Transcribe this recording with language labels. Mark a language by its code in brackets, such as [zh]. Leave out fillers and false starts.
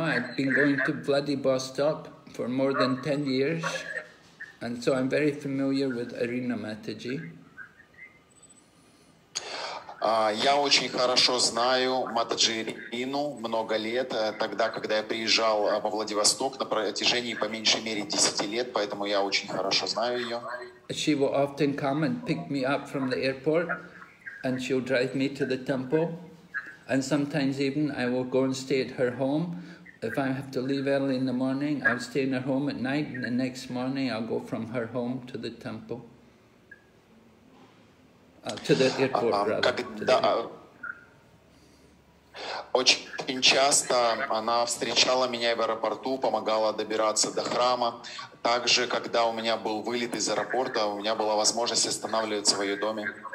[en] I've been going to Vladivostok for more than 10 years. And so I'm very familiar with Arina Mataji. [ru] Я очень хорошо знаю Матаджи Рину много лет, тогда, когда я приезжал во Владивосток на протяжении по меньшей мере 10 лет, поэтому я очень хорошо знаю ее. [en] She will often come and pick me up from the airport. And she'll drive me to the temple, and sometimes even I will go and stay at her home. If I have to leave early in the morning, I'll stay in her home at night, and the next morning I'll go from her home to the temple, to the airport, [ru] Очень часто она встречала меня в аэропорту, помогала добираться до храма. Также, когда у меня был вылет из аэропорта, у меня была возможность останавливаться в ее доме.